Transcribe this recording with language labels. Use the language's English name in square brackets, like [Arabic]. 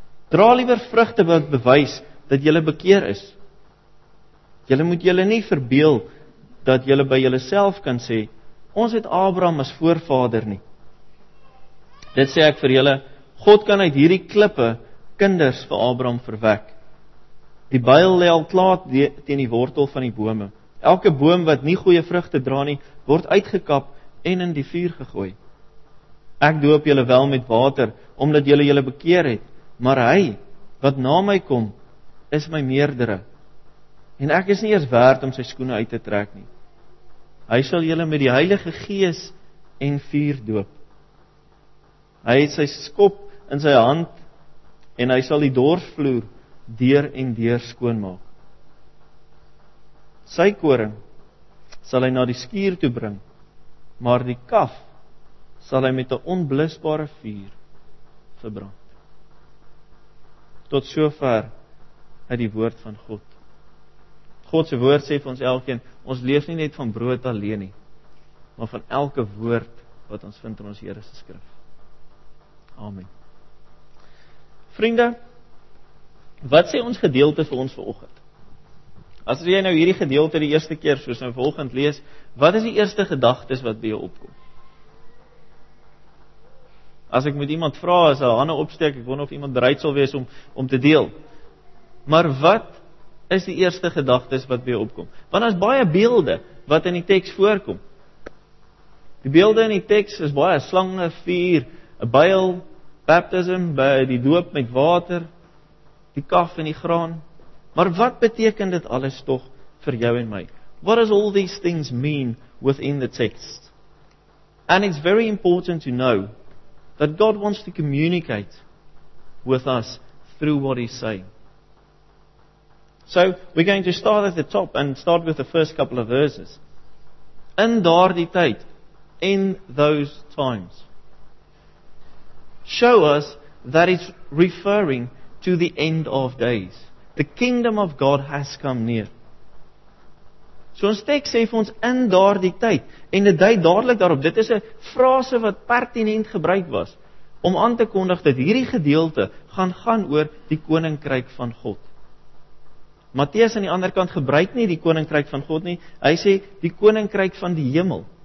[Afrikaans] Dra liewer vrugte wat bewys dat julle bekeer is. Julle moet julle nie verbeel dat julle by julle self kan sê, ons het Abraham as voorvader nie. Dit sê ek vir julle, God kan uit hierdie klippe kinders vir Abraham verwek. Die byl lê al klaar teen die wortel van die bome. Elke boom wat nie goeie vrugte dra nie, word uitgekap en in die vuur gegooi. Ek doop julle wel met water, omdat julle julle bekeer het, maar hy, wat na my kom, is my meerdere. En ek is nie eers werd om sy skoene uit te trek nie. Hy sal julle met die Heilige Gees en vuur doop. Hy het sy skop in sy hand en hy sal die dorsvloer deur en deur skoon maak. Sy koring sal hy na die skuur toe bring, maar die kaf sal hy met 'n onblusbare vuur verbrand. Tot sover uit die woord van God. God se woord sê vir ons elkeen, ons leef nie net van brood alleen nie, maar van elke woord wat ons vind in ons Here se skrif. Amen. Vriende, wat sê ons gedeelte vir ons vanoggend? As jy nou hierdie gedeelte die eerste keer soos nou volgend lees, wat is die eerste gedagtes wat by jou opkom? As ek met iemand vra, as hulle hande opsteek, ek wonder of iemand bereid sal wees om te deel. Maar wat is die eerste gedagtes wat by jou opkom? Want daar is baie beelde wat in die teks voorkom. Die beelde in die teks is baie slange, vuur, 'n byl, baptism, by die doop met water, die kaf en die graan. Maar wat beteken dit alles toch vir jou en my? [English] What does all these things mean within the text? And it's very important to know that God wants to communicate with us through what He's saying. So, we're going to start at the top and start with the first couple of verses. [Afrikaans] In daardie tyd, [English] in those times, show us that it's referring to the end of days. The kingdom of God has come near. [Afrikaans] So ons tekst sê vir ons in daardie tyd, en dit dui dadelik daarop, dit is 'n frase wat pertinent gebruik was, om aan te kondig dat hierdie gedeelte gaan oor die koninkryk van God. Matteus aan die ander kant gebruik nie die koninkryk van God nie. Hy sê die koninkryk van die hemel.